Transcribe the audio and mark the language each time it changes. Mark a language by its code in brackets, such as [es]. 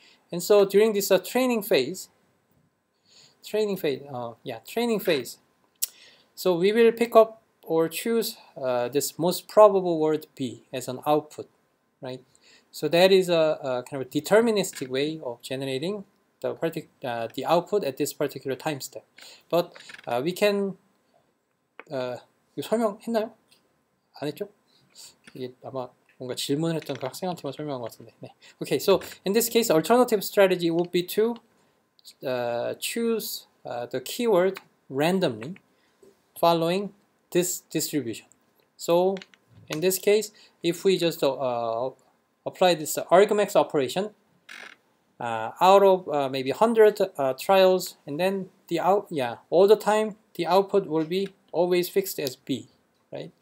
[en] And so during this training phase, so we will pick up or choose this most probable word B as an output, right? So that is a kind of deterministic way of generating the output at this particular time step. But we can [ko] 이거 설명했나요? 안 했죠? 이게 아마 뭔가 질문을 했던 그 학생한테만 설명한 것 같은데. 네. [en] Okay, so in this case, alternative strategy would be to choose the keyword randomly following this distribution. So in this case, if we just apply this argmax operation out of maybe 100 trials, and then the out, yeah, all the time the output will be always fixed as B, right?